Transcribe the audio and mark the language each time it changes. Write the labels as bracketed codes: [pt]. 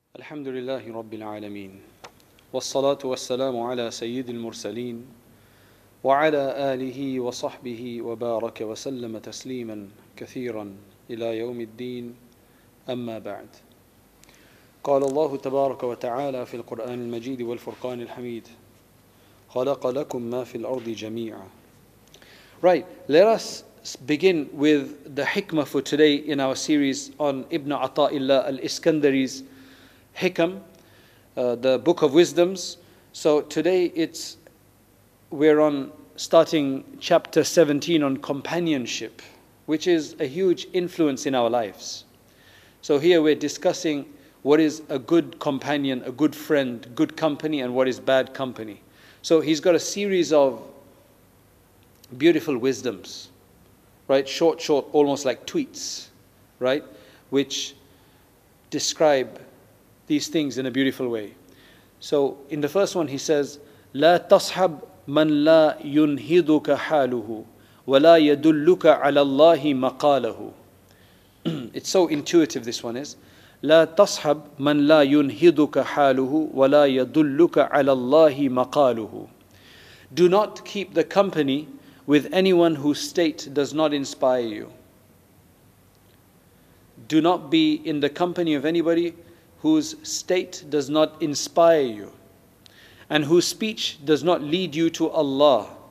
[ar] الحمد لله رب العالمين والصلاة والسلام على سيد المرسلين وعلى آله وصحبه وبارك وسلم تسليما كثيرا إلى يوم الدين أما بعد قال الله تبارك وتعالى في القرآن المجيد والفرقان الحميد خلق لكم ما في الأرض جميعا. [en] Right, let us begin with the hikmah for today in our series on Ibn Ata'illah al-Iskandari's Hikam, the Book of Wisdoms. So today we're on starting chapter 17 on companionship, which is a huge influence in our lives. So here we're discussing what is a good companion, a good friend, good company, and what is bad company. So he's got a series of beautiful wisdoms, right? Short, almost like tweets, right? Which describe these things in a beautiful way. So in the first one he says, [ar] لا تصحب من لا ينهضك حاله ولا يدلك على الله مقاله. [en] It's so intuitive, this one is. [ar] لا تصحب من لا ينهضك حاله ولا يدلك على الله مقاله. [en] Do not keep the company with anyone whose state does not inspire you. Do not be in the company of anybody whose state does not inspire you, and whose speech does not lead you to Allah.